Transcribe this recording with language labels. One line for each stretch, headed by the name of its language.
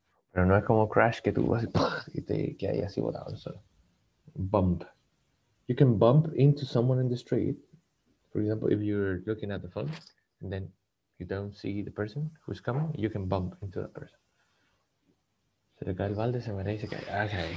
Spanish: Pero no es como crash que tú vas y te caes así botado.
English: So, bump. You can bump into someone in the street. For example, if you're looking at the phone and then you don't see the person who's coming, you can bump into that person.
Spanish: Se le cae el balde, se muere y se cae.